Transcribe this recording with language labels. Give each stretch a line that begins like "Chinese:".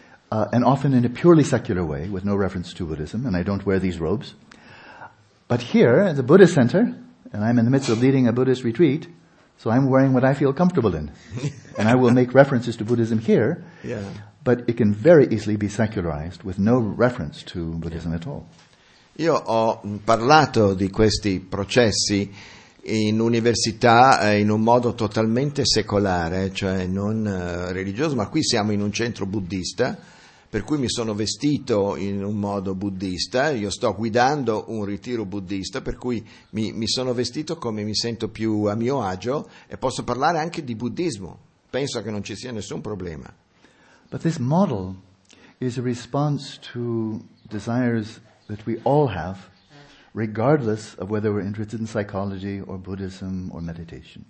English: And often in a purely secular way, with no reference to Buddhism, and I don't wear these robes. But here, at the Buddhist Center, and I'm in the midst of leading a Buddhist retreat, so I'm wearing what I feel comfortable in. And I will make references to Buddhism here, but it can very easily be secularized with no reference to Buddhism at all.
Italian: Io ho parlato di questi processi in università in un modo totalmente secolare, cioè non religioso, ma qui siamo in un centro buddista, per cui mi sono vestito in un modo buddista, io sto guidando un ritiro buddista, per cui mi sono vestito come mi sento più a mio agio e posso parlare anche di buddismo, penso che non ci sia nessun problema.
English: But this model is a response to desires that we all have, regardless of whether we're interested in psychology or Buddhism or meditation.